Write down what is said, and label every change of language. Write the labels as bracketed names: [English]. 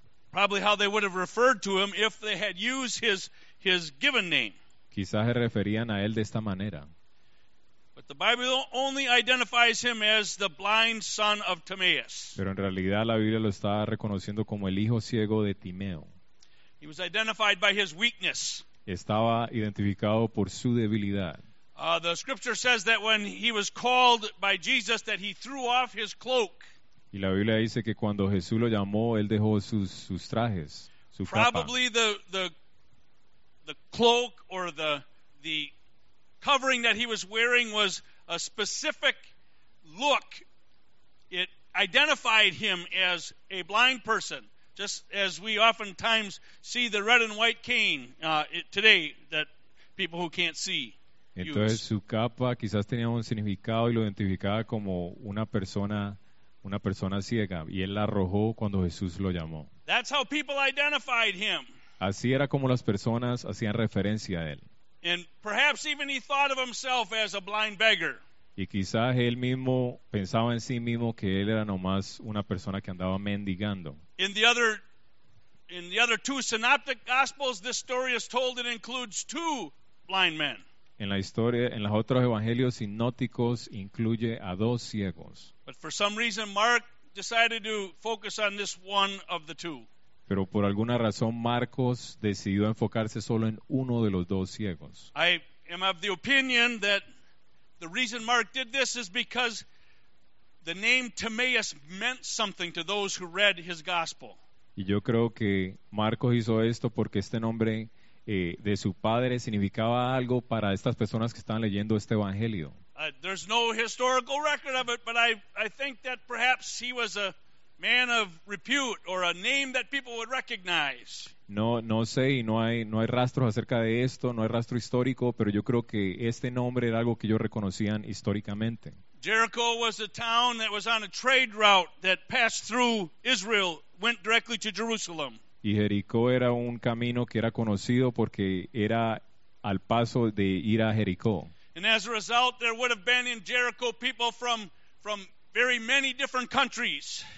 [English] Probably how they would have referred to him if they had used his given name. [Spanish] Quizás se referían a él de esta manera. [English] But the Bible only identifies him as the blind son of Timaeus. [Spanish] Pero en realidad la Biblia lo está reconociendo como el hijo ciego de Timeo. [English] He was identified by his weakness. [Spanish] Estaba identificado por su debilidad. [English] The scripture says that when he was called by Jesus that he threw off his cloak. [Spanish] Y la Biblia dice que cuando Jesús lo llamó, él dejó sus trajes, su [English] Probably [Spanish] capa. [English] The cloak or the covering that he was wearing was a specific look. It identified him as a blind person, just as we oftentimes see the red and white cane today that people who can't see. [Spanish] Entonces [English] use. [Spanish] Su capa quizás tenía un significado y lo identificaba como una persona ciega, y él la arrojó cuando Jesús lo llamó. [English] That's how people identified him. [Spanish] Así era como las personas hacían referencia a él. [English] And perhaps even he thought of himself as a blind beggar. [Spanish] Y quizás él mismo pensaba en sí mismo que él era nomás una persona que andaba mendigando. [English] In the other two synoptic gospels, this story is told it includes two blind men. [Spanish] En las otros evangelios sinópticos incluye a dos ciegos. [English] But for some reason, Mark decided to focus on this one of the two. [Spanish] Pero por alguna razón Marcos decidió enfocarse solo en uno de los dos ciegos. [English] I am of the opinion that the reason Mark did this is because the name Timaeus meant something to those who read his gospel. [Spanish] Y yo creo que Marcos hizo esto porque este nombre de su padre significaba algo para estas personas que estaban leyendo este evangelio. [English] There's no historical record of it, but I think that perhaps he was a man of repute or a name that people would recognize. [Spanish] No sé y no hay rastros acerca de esto, no hay rastro histórico, pero yo creo que este nombre era algo que ellos reconocían históricamente. [English] Jericho was a town that was on a trade route that passed through Israel, went directly to Jerusalem. [Spanish] Y Jericó era un camino que era conocido porque era al paso de ir a Jericó. [English] And as a result, there would have been in Jericho people from very many different countries.